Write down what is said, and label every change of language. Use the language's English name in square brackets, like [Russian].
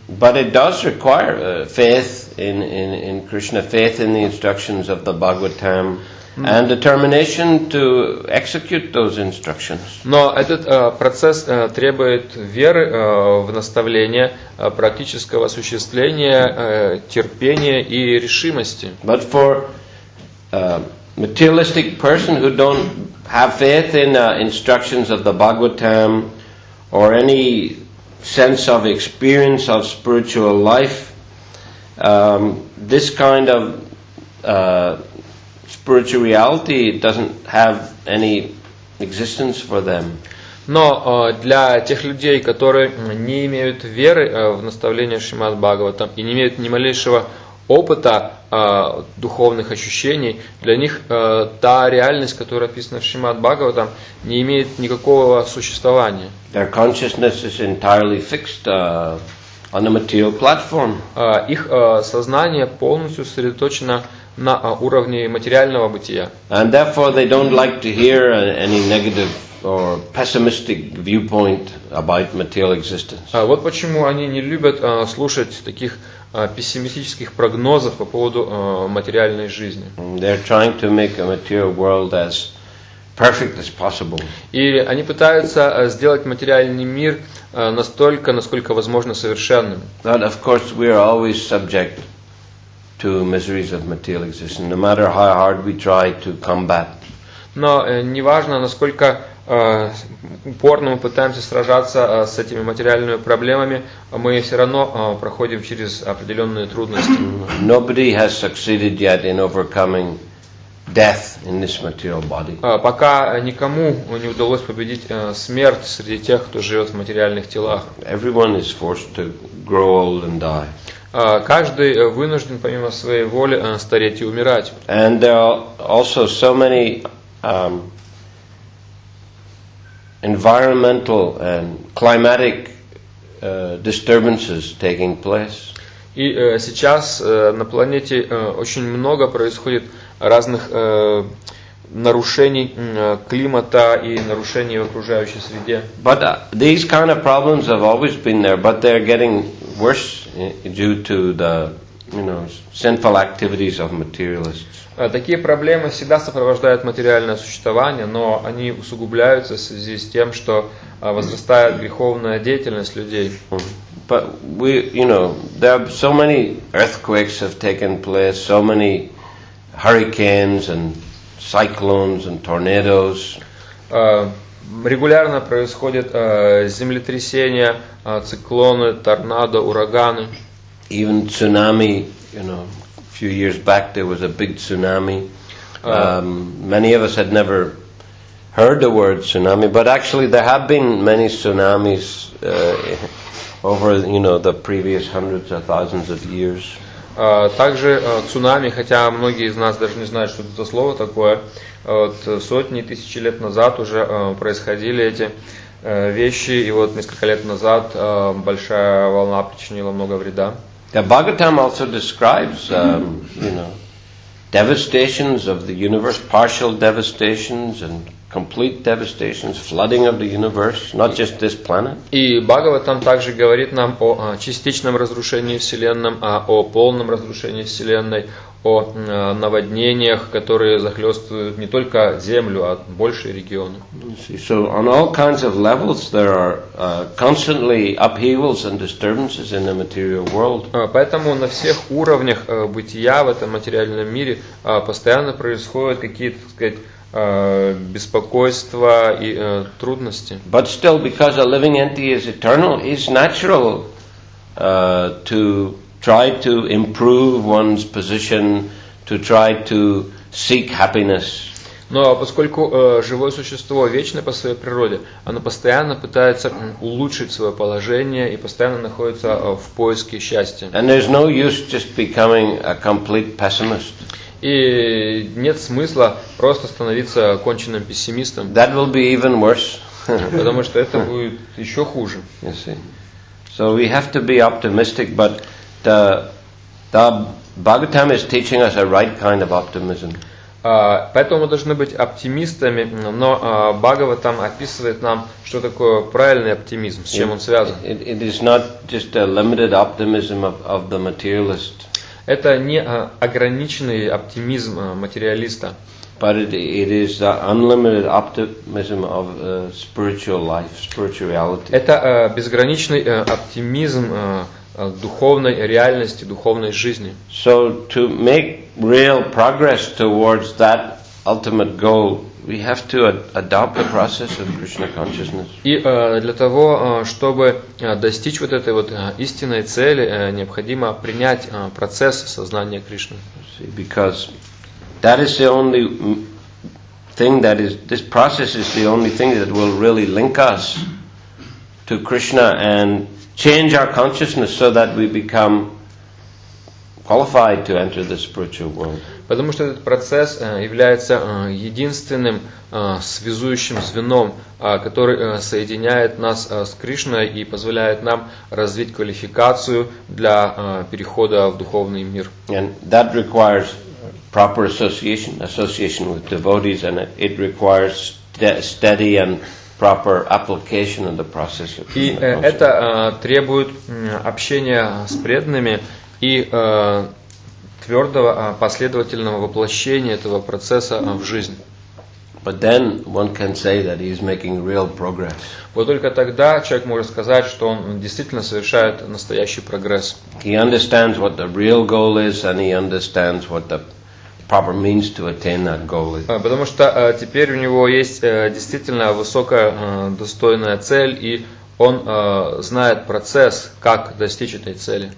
[English] But it does require faith in Krishna, faith in the instructions of the Bhagavatam, and determination to execute those instructions. [Russian] Но этот процесс требует веры в наставление, практического осуществления, терпения и решимости. [English] But for materialistic person who don't have faith in instructions of the Bhagavatam or any sense of experience of spiritual life, this kind of spiritual reality doesn't have any existence for them. [Russian] Но для тех людей, которые не имеют веры в наставление Шримад Бхагаватам и не имеют ни малейшего опыта духовных ощущений, для них та реальность, которая описана в Шримад Бхагаватам, не имеет никакого существования. [English] Their consciousness is entirely fixed on a material platform. [Russian] Их сознание полностью сосредоточено на уровне материального бытия. [English] And therefore they don't like to hear any negative or pessimistic viewpoint about material existence. [Russian] Вот почему они не любят слушать таких пессимистических прогнозов по поводу материальной жизни. [English] They're trying to make a material world as perfect as possible. [Russian] И они пытаются сделать материальный мир настолько, насколько возможно, совершенным. [English] But of course, we are always subject to miseries of material existence, no matter how hard we try to combat. [Russian] Но неважно, насколько упорно мы пытаемся сражаться с этими материальными проблемами, мы все равно проходим через определенные трудности. [English] Nobody has succeeded yet in overcoming death in this material body. [Russian] Пока никому не удалось победить смерть среди тех, кто живет в материальных телах. [English] Everyone is forced to grow old and die. [Russian] Каждый вынужден помимо своей воли стареть и умирать. [English] And there are also so many environmental and climatic disturbances taking place. [Russian] И сейчас на планете очень много происходит разных нарушений климата и нарушений в окружающей среде. [English] But these kind of problems have always been there, but they're getting worse due to the, you know, sinful activities of materialists. [Russian] Такие проблемы всегда сопровождают материальное существование, но они усугубляются в связи с тем, что возрастает греховная деятельность людей. [English] But we, you know, there are so many earthquakes have taken place, so many hurricanes and cyclones and tornadoes. [Russian] Регулярно происходят землетрясения, циклоны, торнадо, ураганы. [English] Even tsunami, you know, a few years back there was a big tsunami. Many of us had never heard the word tsunami, but actually there have been many tsunamis over, you know, the previous hundreds or thousands of years. [Russian] Также цунами, хотя многие из нас даже не знают, что это слово такое, вот сотни тысяч лет назад уже происходили эти вещи, и вот несколько лет назад большая волна причинила много вреда. [English] The Bhagavatam also describes, you know, devastations of the universe, partial devastations and complete devastations, flooding of the universe, not just this planet. [Russian] И Бхагаватам также говорит нам о частичном разрушении Вселенной, а о полном разрушении Вселенной, о наводнениях, которые захлестывают не только Землю, а большие регионы. [English] So on all kinds of levels there are constantly upheavals and disturbances in the material world. [Russian] Поэтому на всех уровнях бытия в этом материальном мире постоянно происходят какие-то, так сказать, беспокойства и трудности. [English] But still, because a living entity is eternal, it's natural to try to improve one's position, to try to seek happiness. [Russian] Но поскольку живое существо вечно по своей природе, оно постоянно пытается улучшить свое положение и постоянно находится в поиске счастья. [English] And there's no use just becoming a complete pessimist. [Russian] И нет смысла просто становиться конченным пессимистом. [English] That will be even worse. [Russian] Потому что это будет еще хуже. [English] You see. So we have to be optimistic, but the Bhagavatam is teaching us a right kind of optimism. [Russian] Поэтому мы должны быть оптимистами, но Бхагаватам описывает нам, что такое правильный оптимизм, с чем он связан. [English] It is not just a limited optimism of the materialist. [Russian] Это не ограниченный оптимизм материалиста. [English] But it is the unlimited optimism of spiritual life, spirituality. [Russian] Это безграничный оптимизм духовной реальности, духовной жизни. [English] So to make real progress towards that ultimate goal, we have to adopt the process of Krishna consciousness. [Russian] И для того, чтобы достичь вот этой вот истинной цели, необходимо принять процесс сознания Кришны. [English] Because that is the only thing that is, this process is the only thing that will really link us to Krishna and change our consciousness so that we become qualified to enter the spiritual world. [Russian] Потому что этот процесс является единственным связующим звеном, который соединяет нас с Кришной и позволяет нам развить квалификацию для перехода в духовный мир. [English] And that requires proper association with devotees, and it requires steady and proper application of the process. [Russian] И это требует общения с преданными и твердого последовательного воплощения этого процесса в жизнь. [English] But then one can say that he is making real progress. [Russian] Вот только тогда человек может сказать, что он действительно совершает настоящий прогресс. [English] He understands what the real goal is, and he understands what the proper means to attain that goal is. [Russian] Потому что теперь у него есть действительно высокая достойная цель, и он знает процесс, как достичь этой цели.